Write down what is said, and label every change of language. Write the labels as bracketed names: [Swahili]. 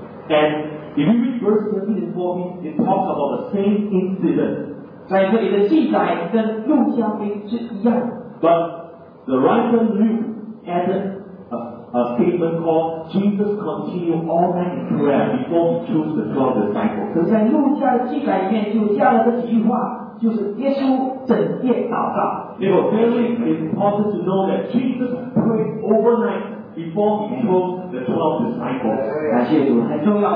[English] And if you read verse 13 and 14, it talks about the same incident. But the writer Luke added a statement called Jesus continued all night in prayer before he chose the 12 disciples. [Chinese] 可是在路加的记载里面就加了这几句话, 就是耶稣整夜祷告. [English] It was very important to know that Jesus prayed overnight before he chose the 12 disciples.